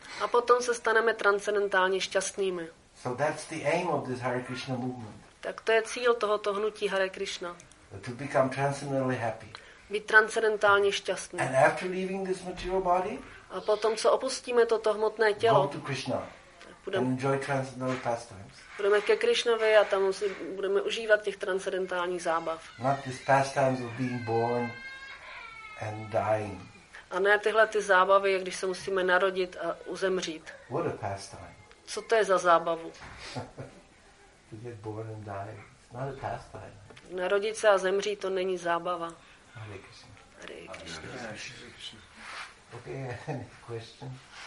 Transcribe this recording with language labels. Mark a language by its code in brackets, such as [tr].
[cs] A potom se staneme transcendentálně šťastnými. [en] So that's the aim of this Hare Krishna movement. [cs] Tak to je cíl tohoto hnutí Hare Krishna. [en] To become transcendentally happy. [cs] Být transcendentálně šťastný. [en] And after leaving this material body? [cs] A potom co opustíme toto hmotné tělo? [en] Go to Krishna. And enjoy transcendental pastimes. [cs] Půjdeme ke Krišnovi a tam si budeme užívat těch transcendentálních zábav. [en] Not these pastimes of being born and dying. [cs] A ne tyhle ty zábavy, když se musíme narodit a uzemřít. [en] What a pastime. [cs] Co to je za zábavu? [en] To get born and die. It's not a pastime. [cs] Narodit se a zemřít, to není zábava. [en] Hare Krishna. Hare Krishna. Okay, any question?